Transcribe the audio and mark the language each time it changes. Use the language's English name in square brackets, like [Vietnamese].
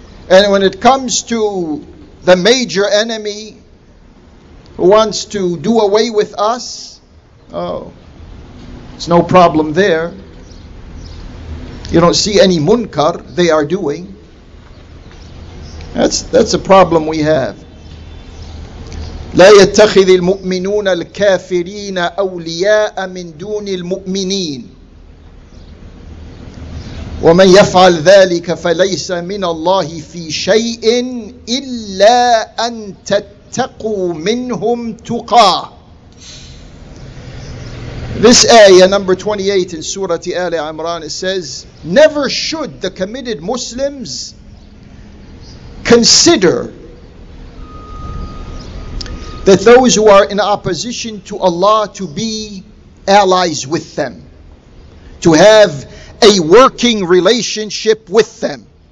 [English] And when it comes to the major enemy who wants to do away with us, it's no problem there. You don't see any munkar they are doing. That's a problem we have. [Arabic] لا يتخذ المؤمنون الكافرين أولياء من دون المؤمنين ومن يفعل ذلك فليس من الله في شيء إلا أن تتقوا منهم تقى. [English] This ayah number 28 in Surah Ali Imran, it says, never should the committed Muslims consider that those who are in opposition to Allah to be allies with them, to have a working relationship with them.